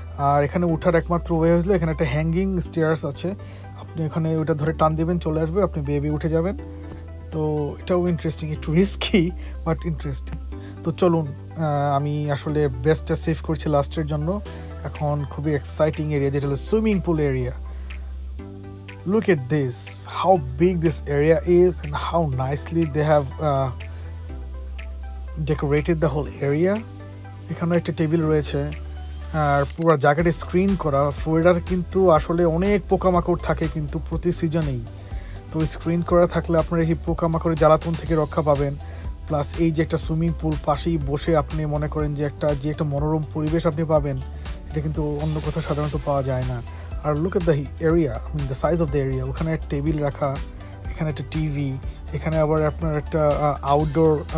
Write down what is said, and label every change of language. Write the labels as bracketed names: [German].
[Bangla] আর এখানে ওঠার একমাত্র ওয়ে হলো এখানে একটা হ্যাঙ্গিং স্টেয়ার্স আছে, আপনি এখানে ওটা ধরে টান দেবেন চলে আসবে, আপনি বেয়ে বেয়ে উঠে যাবেন। তো এটাও ইন্টারেস্টিং, একটু রিস্কি বাট ইন্টারেস্টিং। তো চলুন, আমি আসলে বেস্টটা সেভ করছি লাস্টের জন্য, এখন খুবই এক্সাইটিং এরিয়া যেটা হলো swimming pool area. [English] look at this, how big this area is and how nicely they have decorated the whole area. [Bangla] এখানে একটা টেবিল রয়েছে আর পুরো জায়গাটা স্ক্রিন করা ফুডার কিন্তু আসলে অনেক পোকামাকড় থাকে কিন্তু প্রতি সিজনেই তো স্ক্রিন করা থাকলে আপনারা এই পোকামাকড়ের জ্বালাতন থেকে রক্ষা পাবেন প্লাস এই যে একটা সুইমিং পুল পাশেই বসে আপনি মনে করেন যে একটা মনোরম পরিবেশ আপনি পাবেন এটা কিন্তু অন্য কোথাও সাধারণত পাওয়া যায় না আর [English] look at the area [Bangla] I mean the size of the area ওখানে একটা টেবিল রাখা এখানে একটা টিভি এখানে আবার আপনার একটা আউটডোর